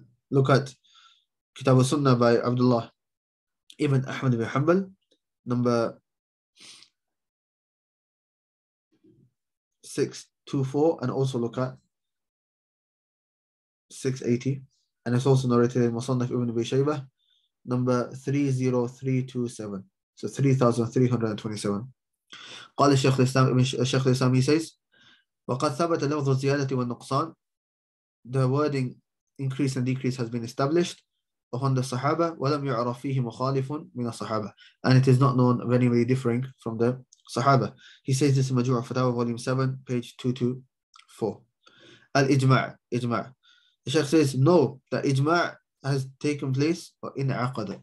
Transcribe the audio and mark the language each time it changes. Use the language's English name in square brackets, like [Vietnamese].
[English] Look at Kitab al-Sunnah by Abdullah Ibn Ahmad ibn Hanbal, number 624, and also look at 680, and it's also narrated in Musannaf Ibn Abi Shaybah, number 30327. So 3327. [Arabic] قال الشيخ الإسلام ابن الشيخ الإسلام [English] he says, [Arabic] وقد ثبت لفظ الزيادة والنقصان. [English] The wording increase and decrease has been established upon the Sahaba, [Arabic] ولم يعرف فيه مخالف من الصحابة, [English] and it is not known of anybody differing from the Sahaba. He says this in Majmu' Fatawa, volume 7, page 224. Al-Ijma', Ijma'. The Sheikh says, no, that Ijma' has taken place in Aqada.